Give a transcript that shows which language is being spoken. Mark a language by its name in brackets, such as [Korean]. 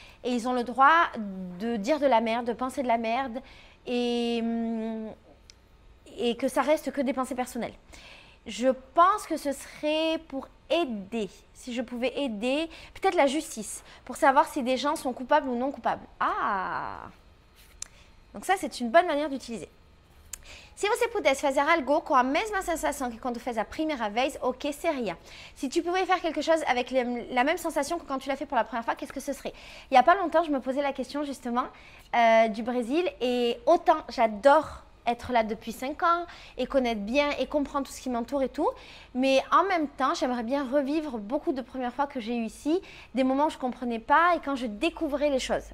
[French] Et ils ont le droit de dire de la merde, de penser de la merde, et que ça reste que des pensées personnelles. Je pense que ce serait pour aider, si je pouvais aider, peut-être la justice, pour savoir si des gens sont coupables ou non coupables. Ah! Donc ça, c'est une bonne manière d'utiliser. [Portuguese] Si você pudesse fazer algo com a mesma sensação que quando fez a primeira vez, o que seria? [French] Si tu pouvais faire quelque chose avec la même sensation que quand tu l'as fait pour la première fois, qu'est-ce que ce serait? Il n'y a pas longtemps, je me posais la question justement du Brésil et autant j'adore être là depuis 5 ans et connaître bien et comprendre tout ce qui m'entoure et tout. Mais en même temps, j'aimerais bien revivre beaucoup de premières fois que j'ai eues ici, des moments où je ne comprenais pas et quand je découvrais les choses.